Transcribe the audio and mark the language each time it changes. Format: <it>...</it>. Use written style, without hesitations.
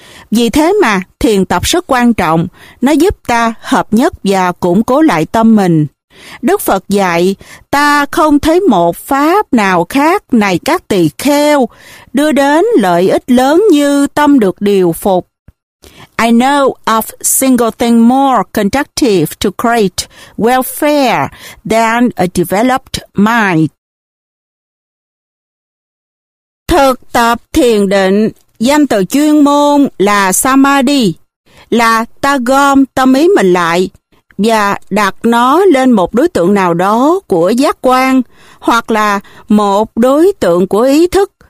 <vi>Vì thế mà thiền tập rất quan trọng, nó giúp ta hợp nhất và củng cố lại tâm mình. Đức Phật dạy, ta không thấy một pháp nào khác này các tỳ kheo đưa đến lợi ích lớn như tâm được điều phục.</vi> <en>I know of single thing more conductive to great welfare than a developed mind.</en> <vi>Thực tập thiền định, danh từ chuyên môn là samadhi, là ta gom tâm ý mình lại và đặt nó lên một đối tượng nào đó của giác quan hoặc là một đối tượng của ý thức.</vi>